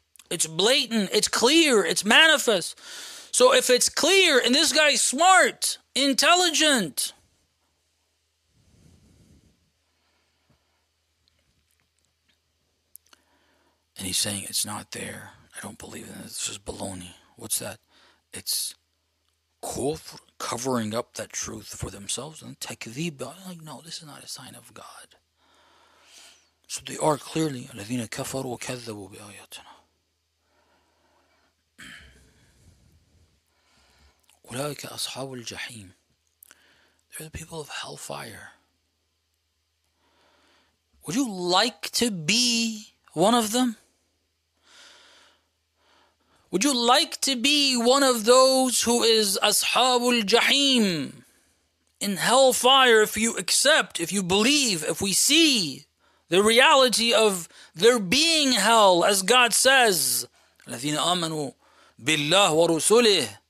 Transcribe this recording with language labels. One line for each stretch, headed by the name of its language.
English: It's blatant. It's clear. It's manifest. So if it's clear and this guy's smart, intelligent, and he's saying it's not there, I don't believe in it, this is baloney. What's that? It's kufr. Covering up that truth for themselves and takdhib. Like, no, this is not a sign of God. So they are clearly
Arabic: الَّذِينَ كَفَرُوا وَكَذَّبُوا بِآيَاتِنَا أُولَٰئِكَ أَصْحَابُ الْجَحِيمِ.
English: They're the people of hellfire. Would you like to be one of them? Would you like to be one of those who is Ashabul Jahim in hellfire if you accept, if you believe, if we see the reality of there being hell, as God says,
Arabic: الَّذِينَ آمَنُوا بِاللَّهِ وَرُسُلِهِ.